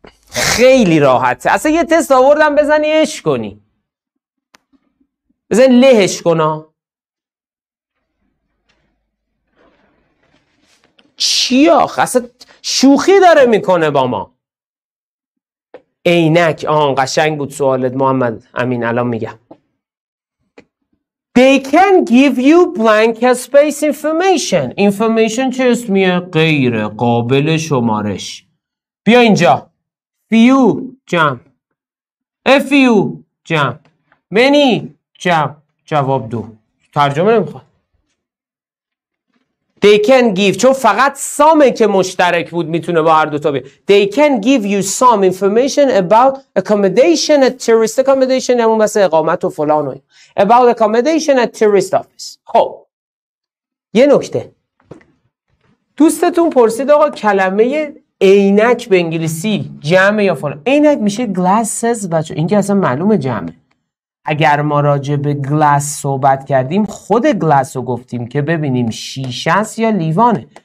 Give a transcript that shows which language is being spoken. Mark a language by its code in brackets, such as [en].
[fa] خیلی راحته. اصلا یه تست آوردم بزنی اش کنی، بزن لهش کنا. چی آخ؟ اصلا شوخی داره میکنه با ما. عینک آن قشنگ بود سوالت محمد امین، الان میگم. [en] They can give you blank space information. [fa] Information چه اسمیه؟ غیر قابل شمارش. بیا اینجا. Few جمع. Few جمع. Many جمع. جواب دو. ترجمه نمیخواد. [en] They can give. [fa] چون فقط سامه که مشترک بود میتونه با هر دو تا بیه. [en] They can give you some information about accommodation at tourist accommodation. [fa] همون مثل اقامت و فلان و این. [en] About accommodation at tourist office. [fa] خب. یه نکته. دوستتون پرسید آقا کلمه عینک به انگلیسی جمع یا فلان. عینک میشه glasses بچه. این که اصلا معلومه جمعه. اگر ما راجع به گلاس صحبت کردیم خود گلاس رو گفتیم که ببینیم شیشه است یا لیوانه.